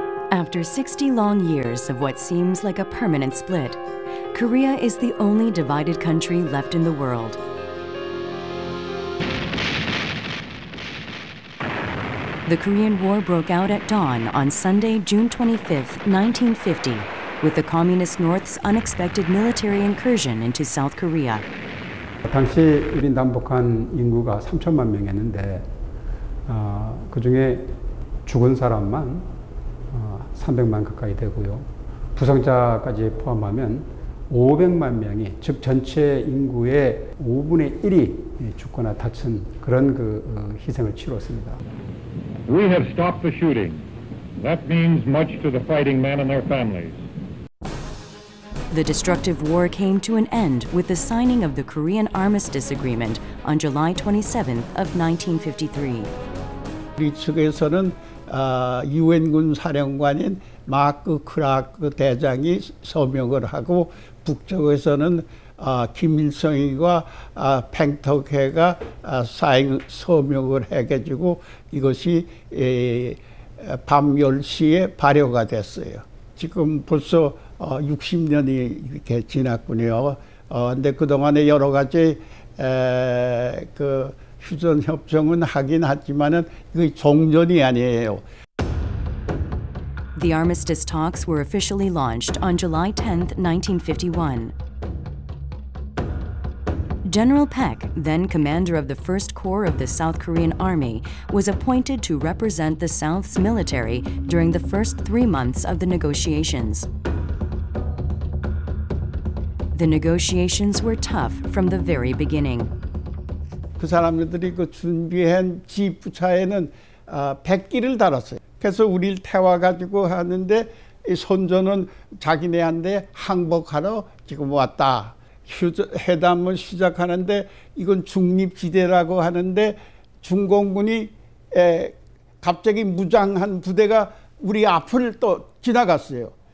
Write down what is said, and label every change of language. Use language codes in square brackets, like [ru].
[en] After 60 long years of what seems like a permanent split, Korea is the only divided country left in the world. The Korean War broke out at dawn on Sunday, June 25, 1950, with the Communist North's unexpected military incursion into South Korea. [ko] 당시 우리 남북한 인구가 3천만 명이었는데 그중에 죽은 사람만 300만 가까이 되고요. 부상자까지 포함하면 500만 명이, 즉 전체 인구의 5분의 1이 죽거나 다친 그런 그 희생을 치렀습니다. [en] We have stopped the shooting. That means much to the fighting men and their families. The destructive war came to an end with the signing of the Korean Armistice Agreement on July 27th of 1953. [ko] 우리 측에서는 UN군 사령관인 마크 크라크 대장이 서명을 하고 북쪽에서는 김일성이와 팽터케가 사인 서명을 해가지고 이것이 밤 10시에 발효가 됐어요. 지금 벌써 60년이 이렇게 지났군요. 근데 그동안에 여러 가지 그 휴전 협정은 하긴 하지만은 이게 종전이 아니에요. [en] The armistice talks were officially launched on July 10, 1951. General Paek, then commander of the 1st Corps of the South Korean Army, was appointed to represent the South's military during the first 3 months of the negotiations. The negotiations were tough from the very beginning. [ko] 그 사람들이 그 준비한 지프차에는 백기를 달았어요. 그래서 우리를 태워가지고 하는데 이 선전은 자기네한테 항복하러 지금 왔다. 회담을 시작하는데 이건 중립지대라고 하는데 중공군이 갑자기 무장한 부대가 우리 앞을 또 지나갔어요.